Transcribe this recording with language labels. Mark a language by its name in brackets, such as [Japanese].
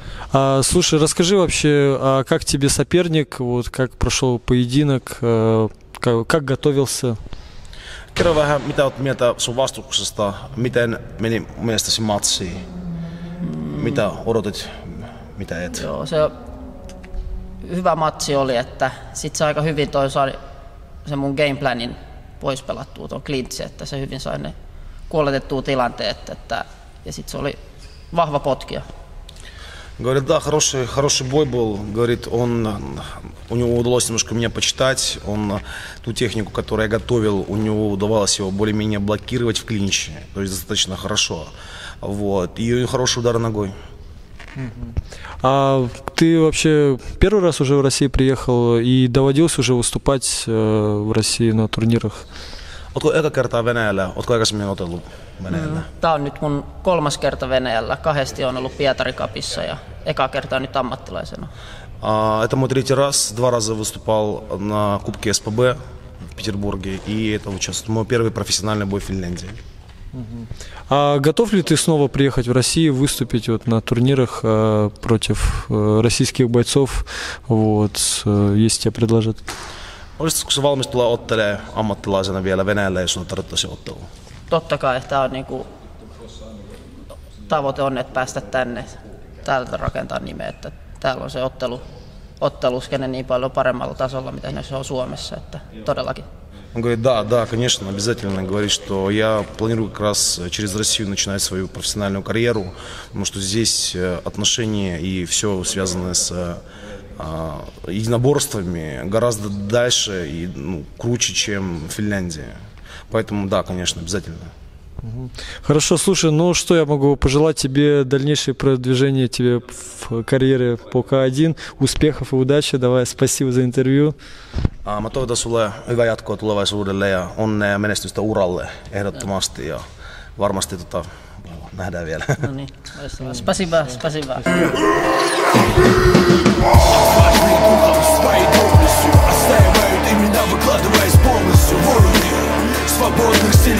[Russian] Слушай, расскажи вообще, как тебе соперник, вот как прошел поединок, как готовился? [Finnish] Kerro vähän, mitä oot mieltä sun vastuksesta, miten meni mielestäsi matsi, mitä odotit, mitä et? Joo, se hyvä matsi oli, että sit se aika hyvin toi sai se mun gameplanin pois pelattua tuon klintsi, että se hyvin sai ne kuoletettua tilanteet, että ja sit se oli vahva potkija. [Russian] Говорит, да, хороший бой был. Говорит, он у него удалось немножко меня почитать. Он ту технику, которую я готовил, у него удавалось его более-менее блокировать в клинче. То есть достаточно хорошо. Вот. И хороший удар ногой. А ты вообще первый раз уже в России приехал и доводился уже выступать в России на турнирах? [Finnish] Eka kertaa Venäjällä? Ootko aikaisemmin otellut Venäjällä? Tää on nyt mun kolmas kerta Venäjällä. Kahdesti on ollut Pietari Cupissa ja eka kertaa nyt ammattilaisena. [Russian] Это мой третий раз. Два раза выступал на Кубке СПБ в Петербурге. И это участвует мой первый профессиональный бой в Финляндии. А готов ли ты снова приехать в Россию, выступить вот на турнирах против российских бойцов? Вот, если тебе предложат. [Finnish] Olisitko se valmis tulla ottelemaan ammattilaisena vielä Venäjällä, jos sinulla tarvittaisi ottelua? Totta kai. Tämä on niinku, tavoite on, että päästä tänne, täältä rakentaa nimeä. Että täällä on se otteluskenne niin paljon paremmalla tasolla, mitä se on Suomessa. Että todellakin. [Russian] Он говорит, да, да, конечно, обязательно. Говорит, что я планирую как раз через Россию начинать свою профессиональную карьеру, потому что здесь отношения и все связанное с единоборствами гораздо дальше и ну, круче, чем в Финляндии. Поэтому, да, конечно, обязательно. Хорошо, слушай, ну что я могу пожелать тебе дальнейшее продвижение тебе в карьере по К1, успехов и удачи. Давай, спасибо за интервью. Мы тоже [Finnish] сулле hyvää jatkoa tulevaisuudelle ja onnea menestystä uralle ehdottomasti ja varmasti tota nähdään vielä. [Russian] Спасибо, спасибо. Свободных